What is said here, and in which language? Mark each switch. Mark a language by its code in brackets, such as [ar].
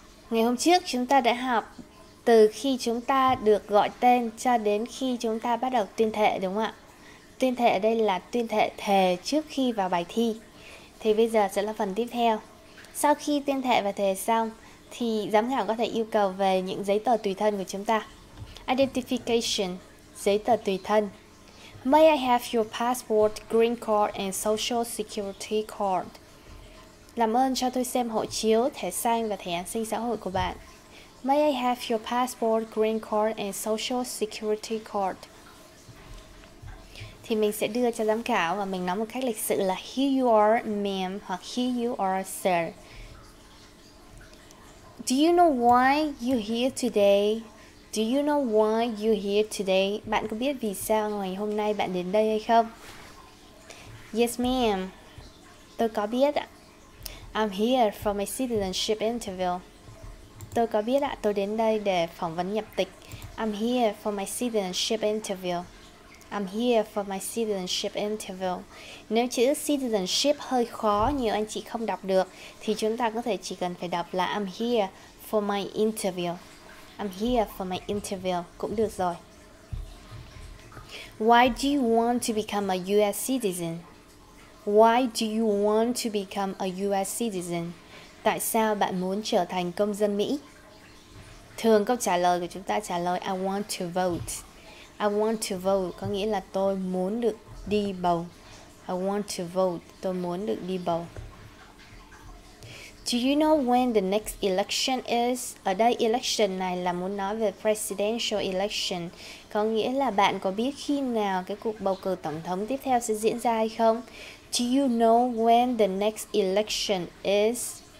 [vi] Ngày hôm trước chúng ta đã học từ khi chúng ta được gọi tên cho đến khi chúng ta bắt đầu tuyên thệ, đúng không ạ? Tuyên thệ ở đây là tuyên thệ thề trước khi vào bài thi. Thì bây giờ sẽ là phần tiếp theo. Sau khi tuyên thệ và thề xong thì giám khảo có thể yêu cầu về những giấy tờ tùy thân của chúng ta. Identification, giấy tờ tùy thân. [en] May I have your passport, green card and social security card? [vi] Làm ơn cho tôi xem hộ chiếu, thẻ xanh và thẻ an sinh xã hội của bạn. [en] May I have your passport, green card and social security card? [vi] Thì mình sẽ đưa cho giám khảo và mình nói một cách lịch sự là [en] here you are ma'am [vi] hoặc [en] here you are sir. Do you know why you're here today? Do you know why you're here today? [vi] Bạn có biết vì sao ngày hôm nay bạn đến đây hay không? [en] Yes ma'am. [vi] Tôi có biết ạ. [en] I'm here for my citizenship interview. [vi] Tôi có biết ạ, tôi đến đây để phỏng vấn nhập tịch. [en] I'm here for my citizenship interview. I'm here for my citizenship interview. [vi] Nếu chữ citizenship hơi khó, nhiều anh chị không đọc được, thì chúng ta có thể chỉ cần phải đọc là [en] I'm here for my interview. I'm here for my interview [vi] cũng được rồi. [en] Why do you want to become a US citizen? Why do you want to become a US citizen? [vi] Tại sao bạn muốn trở thành công dân Mỹ? Thường câu trả lời của chúng ta trả lời [en] I want to vote. I want to vote [vi] có nghĩa là tôi muốn được đi bầu. [en] I want to vote, [vi] tôi muốn được đi bầu. [en] Do you know when the next election is? [vi] Ở đây election này là muốn nói về presidential election. Có nghĩa là bạn có biết khi nào cái cuộc bầu cử tổng thống tiếp theo sẽ diễn ra hay không? [en] Do you know when the next election is?